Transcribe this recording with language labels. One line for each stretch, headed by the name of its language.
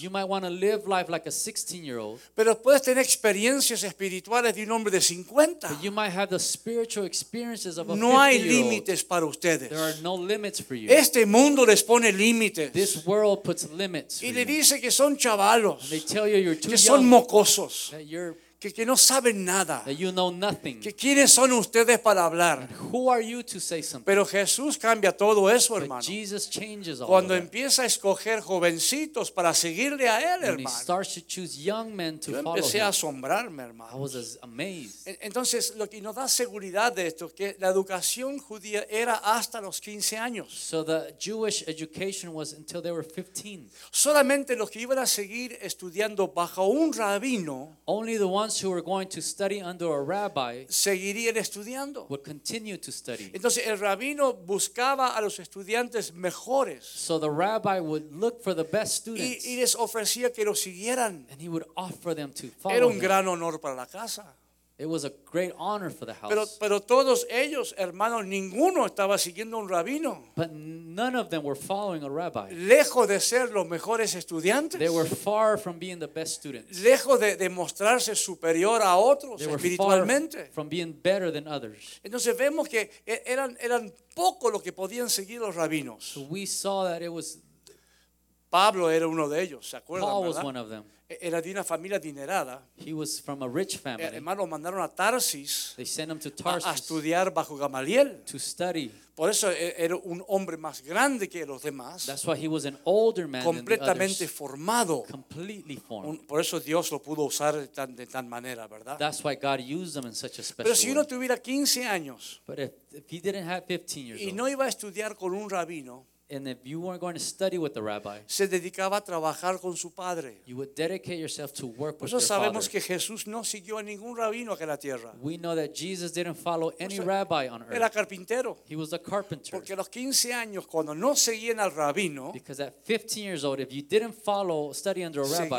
English: You might want to live life like a 16-year-old.
Spanish: Pero puedes tener experiencias espirituales de un hombre de 50.
English: But you might have the spiritual experiences of a 50-year-old.
Spanish: No hay límites para ustedes.
English: There are no limits for you.
Spanish: Este mundo les pone límites.
English: This world puts limits.
Spanish: Y le dice que son chavalos.
English: They tell you you're too young.
Spanish: Que son mocosos.
English: That you're
Spanish: que no saben nada.
English: That you know nothing.
Spanish: Que quiénes son ustedes para hablar.
English: And who are you to say something?
Spanish: Pero Jesús cambia todo eso, hermano.
English: But Jesus changes all
Spanish: Cuando empieza a escoger jovencitos para seguirle a él,
English: When
Spanish: hermano.
English: He starts to choose young men to
Spanish: Yo
English: follow
Spanish: empecé a asombrarme, hermano.
English: I was amazed.
Spanish: Entonces, lo que nos da seguridad de esto que la educación judía era hasta los 15 años.
English: So the Jewish education was until they were 15.
Spanish: Solamente los que iban a seguir estudiando bajo un rabino.
English: Only the ones who were going to study under a rabbi
Spanish: seguirían estudiando.
English: Would continue to study.
Spanish: Entonces el rabino buscaba a los estudiantes mejores.
English: So the rabbi would look for the best students.
Spanish: Y les ofrecía que lo siguieran.
English: And he would offer them to follow.
Spanish: Era un gran honor para la casa.
English: It was a great honor for the house.
Spanish: Pero todos ellos, hermanos, ninguno estaba siguiendo un rabino.
English: But none of them were following a rabbi.
Spanish: Lejos de ser los mejores estudiantes.
English: They were far from being the best students.
Spanish: Lejos de mostrarse superior a otros espiritualmente.
English: They were far from being better than others.
Spanish: Entonces vemos que eran poco los que podían seguir los rabinos.
English: So we saw that it was
Spanish: Pablo era uno de ellos, ¿se acuerdan,
English: Paul
Spanish: verdad?
English: Was one of them.
Spanish: Era de una familia adinerada.
English: He was from a rich family.
Spanish: Hermano, mandaron a Tarsis.
English: They sent him to Tarsis.
Spanish: A estudiar bajo Gamaliel.
English: To study.
Spanish: Por eso era un hombre más grande que los demás.
English: That's why he was an older man.
Spanish: Completamente formado.
English: Completely formed.
Spanish: Por eso Dios lo pudo usar de tan manera, ¿verdad?
English: That's why God used him in such a special
Spanish: Pero si uno
English: way.
Spanish: Tuviera 15 años.
English: But if he didn't have 15 years
Spanish: y
English: old.
Spanish: Y no iba a estudiar con un rabino.
English: And if you weren't going to study with the rabbi,
Spanish: se dedicaba a trabajar con su padre.
English: You would dedicate yourself to work with your
Spanish: sabemos Sabemos que Jesús no siguió a ningún rabino acá en la tierra.
English: We know that Jesus didn't follow any rabbi on earth.
Spanish: Era carpintero.
English: He was a carpenter.
Spanish: Porque a los 15 años, cuando no seguían al rabino,
English: because at 15 years old, if you didn't follow, study under a rabbi,